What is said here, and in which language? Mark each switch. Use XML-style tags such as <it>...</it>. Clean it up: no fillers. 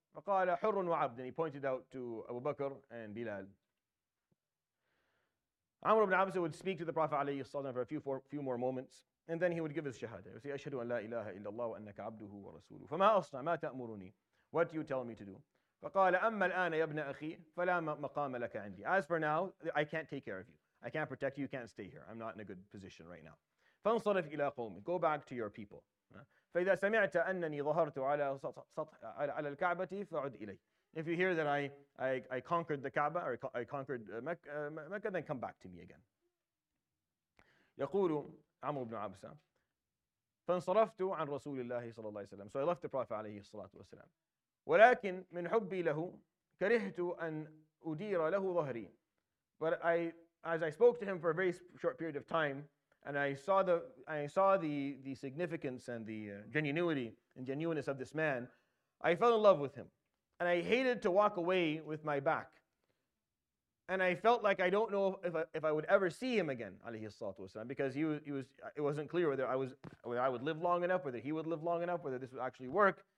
<ar>فقال حر وعبد,</ar> <en>and he pointed out to Abu Bakr and Bilal. Amr ibn Absa would speak to the Prophet alayhi salam for a few more moments, and then he would give his shahada. He would say,</en> <ar>أشهد أن لا إله إلا الله وأنك عبده ورسوله. فما أصنع ما تأمرني,</ar> <en>what do you tell me to do?</en> <ar>فقال أما الآن يا ابن أخي فلا مقام لك عندي.</ar> <en>As for now, I can't take care of you. I can't protect you. You can't stay here. I'm not in a good position right now.</en> <ar>فانصرف إلى قومي,</ar> <en>go back to your people.</en> <ar>فإذا سمعت أنني ظهرت على سطح على الكعبة فعد إلي.</ar> <en>If you hear that I conquered the Kaaba, or I conquered Mecca, then come back to me again.</en> <ar>يقول عمرو بن عبسة فانصرفت عن رسول الله صلى الله عليه وسلم.</ar> <en>So I left the Prophet</en> <ar>عليه الصلاة والسلام. ولكن من حبي له كرهت أن أدير له ظهري.</ar> <en>But as I spoke to him for a very short period of time, and I saw the significance and the genuineness and genuineness of this man, I fell in love with him. And I hated to walk away with my back. And I felt like I don't know if I would ever see him again, alayhi salatu wasalam, because it wasn't clear whether I would live long enough, whether he would live long enough, whether this would actually work.</en>